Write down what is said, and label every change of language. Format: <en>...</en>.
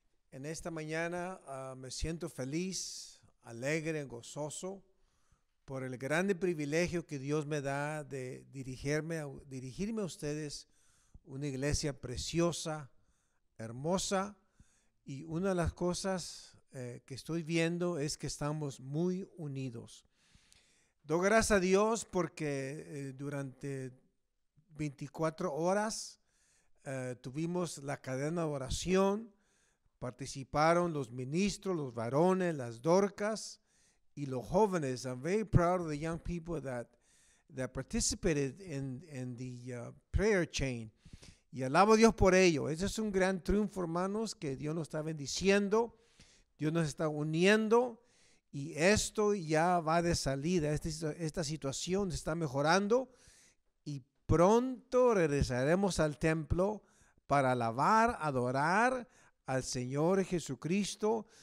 <es>En esta mañana me siento feliz, alegre, gozoso por el grande privilegio que Dios me da de dirigirme a ustedes, una iglesia preciosa, hermosa, y una de las cosas que estoy viendo es que estamos muy unidos. Doy gracias a Dios porque durante 24 horas tuvimos la cadena de oración, participaron los ministros, los varones, las Dorcas y los jóvenes.</es> <en>I'm very proud of the young people that participated in the prayer chain.</en> <es>Y alabo a Dios por ello. Ese es un gran triunfo, hermanos, que Dios nos está bendiciendo. Dios nos está uniendo y esto ya va de salida. Esta situación está mejorando y pronto regresaremos al templo para alabar, adorar al Señor Jesucristo.</es>